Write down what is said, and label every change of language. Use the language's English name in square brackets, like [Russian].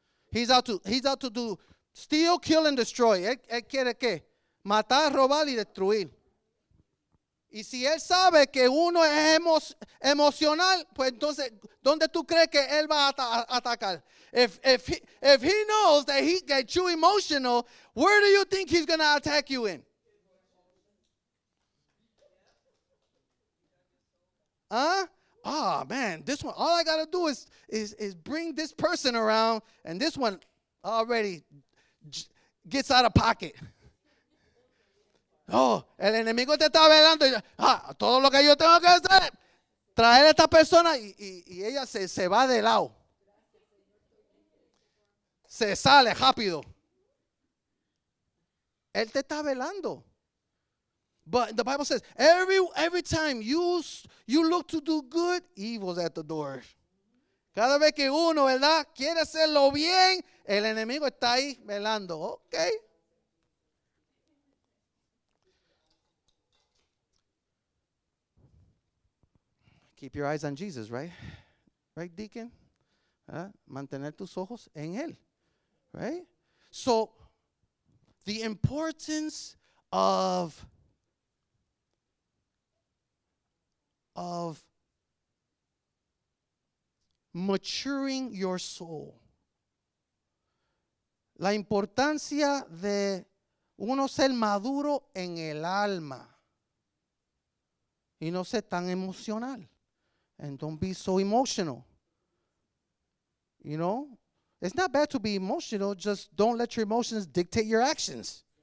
[English] He's out to do steal, kill, and destroy. [Spanish] Él quiere qué? Matar, robar y destruir. Y si él sabe que uno es emocional, pues entonces, ¿dónde tú crees que él va a atacar? [English] If he knows that he gets you emotional, where do you think he's going to attack you in? Huh? Oh, man, this one, all I got to do is bring this person around, and this one already gets out of pocket. [Spanish] Oh, el enemigo te está velando. Todo lo que yo tengo que hacer, traer a esta persona y ella se va de lado. Se sale rápido. Él te está velando. [English] But the Bible says, every time you look to do good, evil's at the door. [Spanish] Cada vez que uno, ¿verdad?, quiere hacerlo bien, el enemigo está ahí velando. [English] Okay. Keep your eyes on Jesus, right? Right, [Spanish] Deacon? Mantener tus ojos en él, [English] right? So, the importance of maturing your soul. [Spanish] La importancia de uno ser maduro en el alma y no ser tan emocional. [English] And don't be so emotional. You know? It's not bad to be emotional. Just don't let your emotions dictate your actions.